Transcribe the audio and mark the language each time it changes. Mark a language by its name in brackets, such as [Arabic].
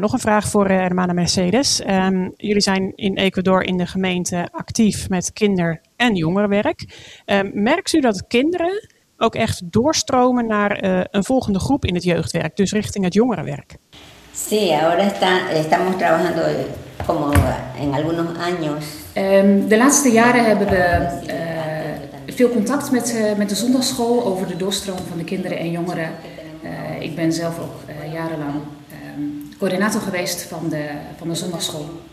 [Dutch] Nog een vraag voor Hermana Mercedes. Jullie zijn in Ecuador in de gemeente actief met kinder- en jongerenwerk. Merkt u dat kinderen ook echt doorstromen naar een volgende groep in het jeugdwerk, dus richting het jongerenwerk? [Spanish] Sí, ahora estamos trabajando como en algunos años. [Dutch] De laatste jaren hebben we veel contact met de zondagsschool over de doorstroom van de kinderen en jongeren. Ik ben zelf ook jarenlang coördinator geweest van de zondagsschool.